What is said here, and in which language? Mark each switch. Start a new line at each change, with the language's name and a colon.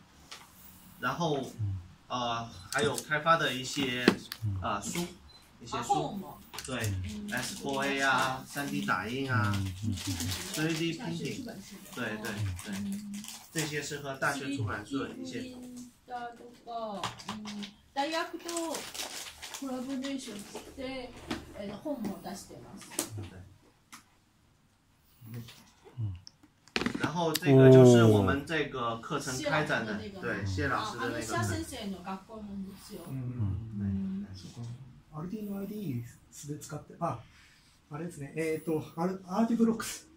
Chinese: 对。然后还有开发的一些书。一些书，对 ，S4A 啊 ，3D 打印啊 ，3D 拼贴，对对对，这些是和大学出版社一些。
Japanese: 大学とコラボレーションして本も出してます。
Chinese: 然后这个就是我们这个课程开展的，对，谢老师的那个。
Japanese: あの夏先生の学校の日曜。アルディの ID で使って、あ、あれですね、アーディブロックス。